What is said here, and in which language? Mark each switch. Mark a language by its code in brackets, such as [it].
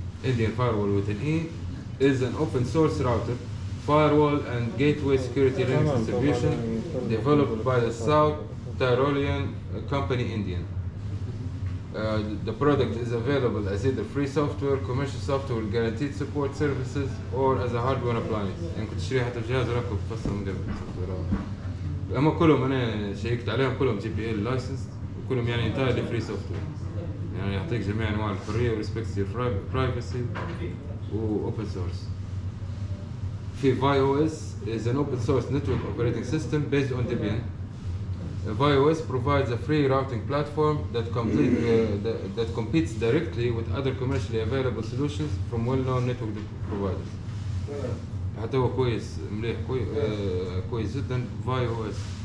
[en] Indian firewall with an E is an open source router, firewall and gateway security Linux distribution developed by the South Tyrolean company Indian. The product is available as either free software, commercial software, guaranteed support services, or as a hardware appliance. [ar] إن كنت تشتري حتى الجهاز راكو بفصل من قبل السوفتوير. أما كلهم أنا شيكت عليهم كلهم جي بي إل لايسنسد، وكلهم يعني إنتايرلي فري سوفتوير. يعني يعطيك جميع أنواع الحرية [en] وريسبكت your privacy [ar] وأوبن سورس. في فاي أو إس [en] is an open source network operating system based on Debian. VIOS provides a free routing platform that competes directly with other commercially available solutions from well-known network providers. [ar] حتى هو كويس مليح كويس جدا VIOS.